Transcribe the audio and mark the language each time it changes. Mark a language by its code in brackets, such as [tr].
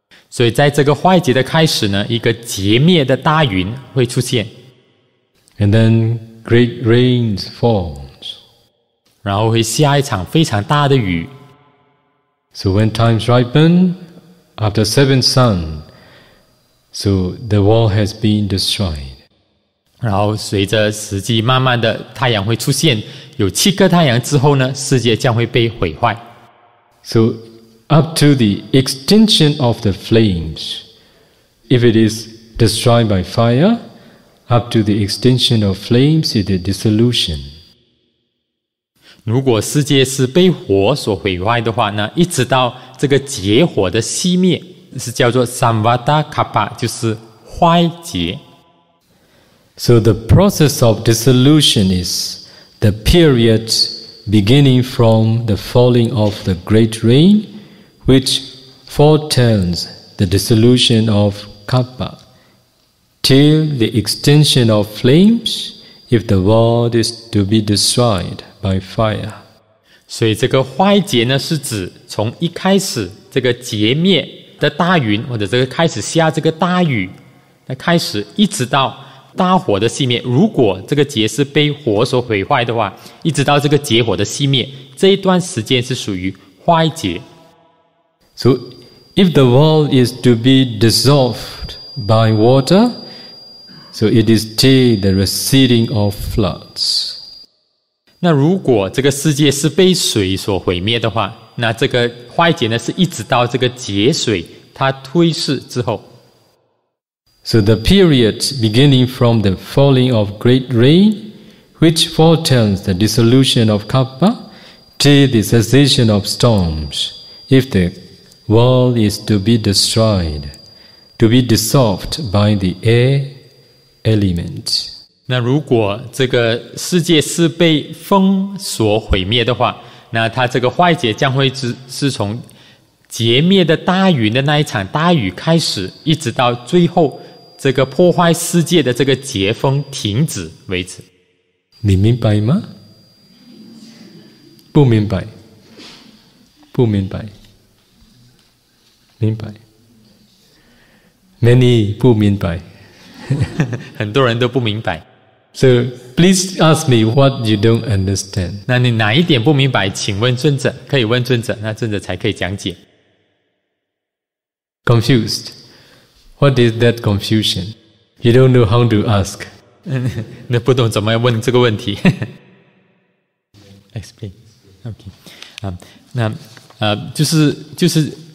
[zh] 所以在这个坏劫的开始呢，一个劫灭的大云会出现。 [en] And then great rains falls. [zh] 然后会下一场非常大的雨。 [en] So when times ripen, after seven sun, so the world has been destroyed. [zh] 然后随着时机慢慢的太阳会出现，有七个太阳之后呢，世界将会被毁坏。 [en] So,Up to the extinction of the flames, if it is destroyed by fire, up to the extinction of flames, it is dissolution. [zh] 如果世界是被火所毁坏的话，那一直到这个劫火的熄灭，是叫做 Sambuddha Kappa, 就是坏劫。 [en] So the process of dissolution is the period beginning from the falling of the great rain,Which foretells the dissolution of Kappa till the extinction of flames if the world is to be destroyed by fire. [zh] 所以这个坏劫呢，是指从一开始这个劫灭的大云，或者这个开始下这个大雨，那开始一直到大火的熄灭。如果这个劫是被火所毁坏的话，一直到这个劫火的熄灭，这一段时间是属于坏劫。 [en] So, if the world is to be dissolved by water, so it is till the receding of floods. [zh] 那如果这个世界是被水所毁灭的话，那这个坏劫呢，是一直到这个劫水它退逝之后。 [en] So the period beginning from the falling of great rain, which foretells the dissolution of Kappa, till the cessation of storms, if theWorld is to be destroyed, to be dissolved by the air element. [zh] 那如果这个世界是被风所毁灭的话，那它这个坏劫将会是从劫灭的大云的那一场大雨开始，一直到最后这个破坏世界的这个劫风停止为止。你明白吗？不明白，不明白。明白 ，many 不明白，很多人都不明白。 [en] So please ask me what you don't understand. [zh] 那你哪一点不明白？请问尊者，可以问尊者，那尊者才可以讲解。 [en] Confused? What is that confusion? You don't know how to ask. [zh] 那不懂怎么问这个问题。 [en] Explain. Okay. [zh] 就是。